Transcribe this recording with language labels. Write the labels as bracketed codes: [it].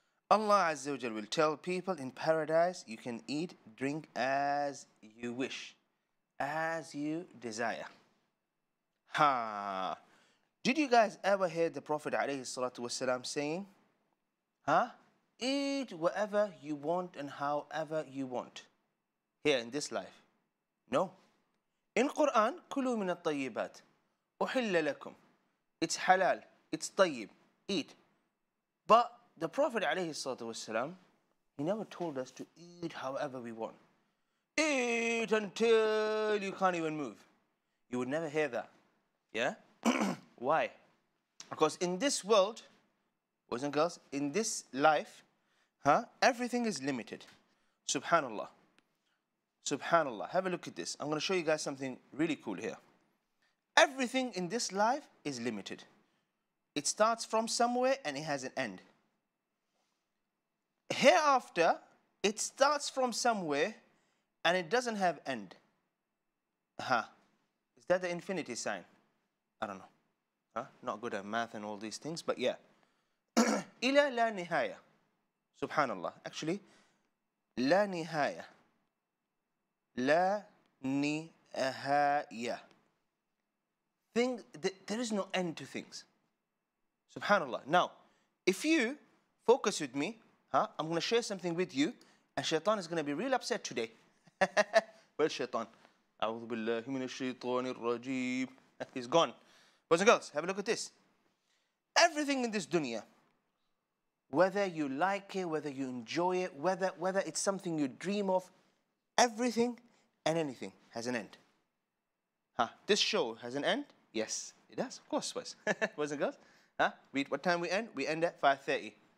[en] Allah Azza wa Jal will tell people in paradise, you can eat, drink as you wish, as you desire. Ha! Did you guys ever hear the Prophet alayhi salatu wasalam saying, huh? Eat whatever you want and however you want here in this life. No. In Quran, [ar] كُلُوا مِنَ الطَّيِّبَاتِ أُحِلَّ لَكُمْ. [en] It's halal, it's tayyib, eat. But the Prophet alayhi salatu wasalam, he never told us to eat however we want. Eat until you can't even move. You would never hear that. Yeah? Why? Because in this world, boys and girls, in this life, huh? Everything is limited. Subhanallah. Subhanallah. Have a look at this. I'm going to show you guys something really cool here. Everything in this life is limited. It starts from somewhere and it has an end. Hereafter, it starts from somewhere and it doesn't have end. Huh? Is that the infinity sign? I don't know. Huh? Not good at math and all these things, but yeah. [ar] إِلَى لَا نِهَايَةً. Subhanallah. Actually, لَا نِهَايَةً. لَا نِهَايَةً. [en] There is no end to things. Subhanallah. Now, if you focus with me, huh? I'm going to share something with you, and Shaitan is going to be real upset today. Where's Shaitan? [ar] أعوذ بالله من الشيطان الرجيم. [en] He's gone. Boys and girls, have a look at this. Everything in this dunya, whether you like it, whether you enjoy it, whether it's something you dream of, everything and anything has an end. Huh? This show has an end? Yes, it does. Of course, boys. Boys and girls, huh? What time we end? We end at 5:30.